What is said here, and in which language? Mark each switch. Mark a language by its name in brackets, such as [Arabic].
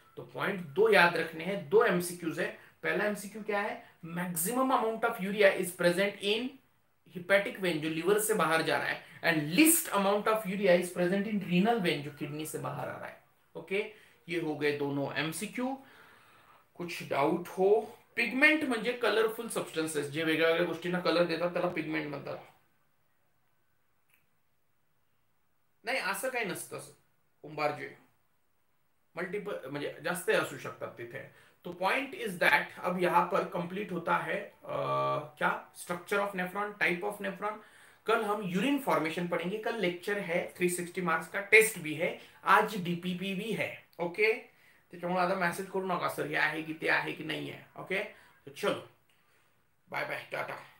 [Hindi] तो पॉइंट दो याद रखने हैं, दो एमसीक्यूज है। पहला एमसीक्यू क्या है? [English] maximum amount of urea is present in hepatic vein [Hindi] जो लिवर से बाहर जा रहा है, [English] and least amount of urea is present in renal vein [Hindi] जो किडनी से बाहर आ रहा है। ओके ये हो गए दोनों एमसीक्यू। कुछ डाउट हो? [Marathi] पिगमेंट म्हणजे कलरफुल सबस्टेंसेस जे वेगवेगळ्या गोष्टींना कलर देतात त्याला पिगमेंट म्हणतात। नाही असं काही नसतं, कुंभार जे मल्टीपल म्हणजे जास्त असू शकतात तिथे। [Hindi] तो [English] point is that [Hindi] अब यहां पर कंप्लीट होता है क्या structure of nephron, type of nephron. कल हम यूरिन फॉर्मेशन पढ़ेंगे, कल लेक्चर है, 360 मार्क्स का टेस्ट भी है, आज डीपीपी भी है। [Marathi] ओके त्याच्यामुळे आता मेसेज करू नका सर हे आहे की ते आहे की नाही आहे। [Hindi] ओके चलो बाय बाय टाटा।